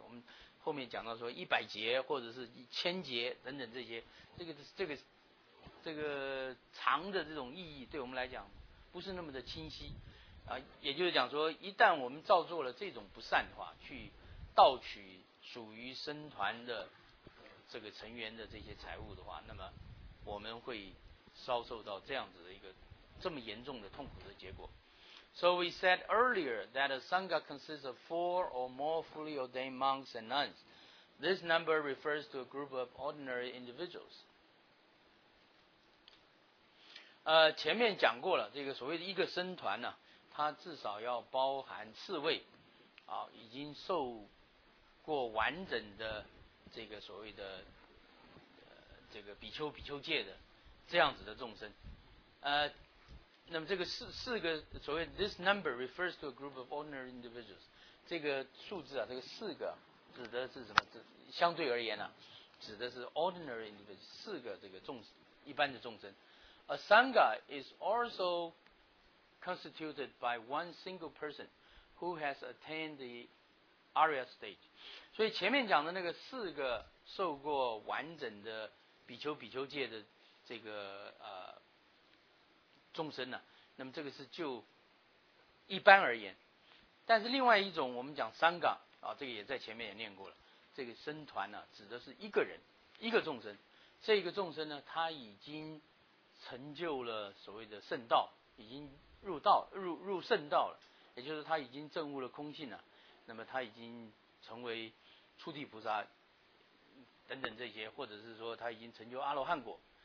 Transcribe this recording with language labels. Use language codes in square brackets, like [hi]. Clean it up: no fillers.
[zh] 我们后面讲到说100劫或者是1000劫等等这些，这个长的这种意义对我们来讲不是那么的清晰啊。也就是讲说，一旦我们造作了这种不善的话，去盗取属于僧团的这个成员的这些财物的话，那么我们会遭受到这样子的一个这么严重的痛苦的结果。 [en] So we said earlier that a Sangha consists of 4 or more fully ordained monks and nuns. This number refers to a group of ordinary individuals. [zh] 前面讲过了，这个所谓的一个僧团呢，它至少要包含4位，啊，已经受过完整的这个所谓的这个比丘戒的这样子的众生，那么这个四个所谓 [en] this number refers to a group of ordinary individuals， [zh] 这个数字啊，这个四个指的是什么？相对而言呢，啊，指的是 [en] ordinary individuals， [zh] 四个这个众一般的众生。 [en] A sangha is also constituted by one single person who has attained the arya stage。 [zh] 所以前面讲的那个四个受过完整的比丘戒的这个众生呢，啊，那么这个是就一般而言，但是另外一种我们讲三个啊，这个也在前面也念过了，这个僧团呢，啊，指的是一个人一个众生，这个众生呢他已经成就了所谓的圣道，已经入圣道了，也就是他已经证悟了空性了，那么他已经成为初地菩萨等等这些，或者是说他已经成就阿罗汉果。